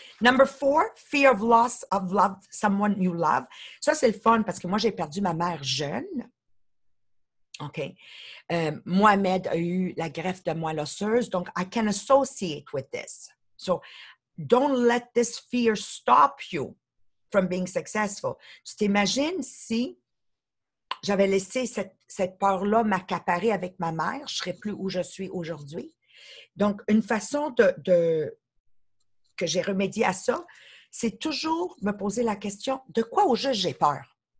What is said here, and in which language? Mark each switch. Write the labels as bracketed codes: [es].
[en] Number four, fear of loss of love, someone you love. [fr] Ça, c'est le fun parce que moi, j'ai perdu ma mère jeune. OK. Mohamed a eu la greffe de moelle osseuse. [en] Donc, I can associate with this. So, don't let this fear stop you from being successful. [fr] Tu t'imagines si j'avais laissé cette peur-là m'accaparer avec ma mère, je ne serais plus où je suis aujourd'hui. Donc, une façon que j'ai remédié à ça, c'est toujours me poser la question, de quoi au juste j'ai peur?